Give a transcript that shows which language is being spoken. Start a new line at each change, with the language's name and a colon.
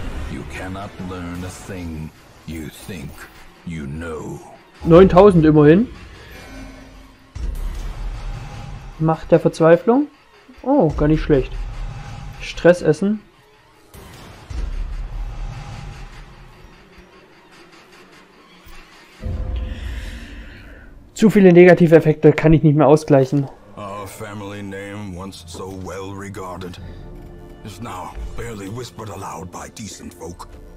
English: You cannot learn a thing you think you know.
German: 9000 immerhin. Macht der Verzweiflung. Oh, gar nicht schlecht. Stress essen. Zu viele negative Effekte kann ich nicht mehr ausgleichen.
English: Our family name, once so well regarded, is now barely whispered aloud by decent folk.